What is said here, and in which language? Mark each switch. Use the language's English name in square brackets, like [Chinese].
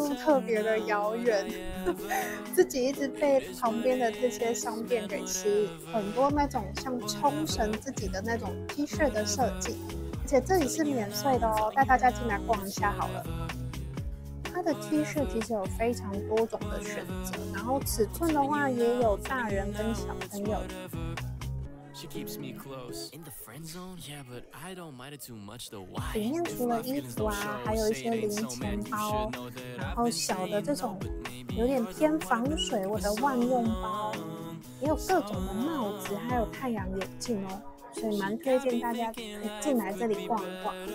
[Chinese] 这家也是非常有名的冲绳伴手礼店，还有卖那个雪盐冰淇淋，还有各式各样的盐，觉得去单轨列车的路特别的遥远，自己一直被旁边的这些商店给吸引，很多那种像冲绳自己的那种 T 恤的设计，而且这里是免税的哦，带大家进来逛一下好了。它的 T 恤其实有非常多种的选择，然后尺寸的话也有大人跟小朋友的。 [English] She keeps me close in the friend zone, yeah, but I don't mind it too much though. Why? [Chinese] 里面除了衣服啊，还有一些零钱包，然后小的这种有点偏防水或者万用包，也有各种的帽子，还有太阳眼镜哦，所以蛮推荐大家可以进来这里逛一逛。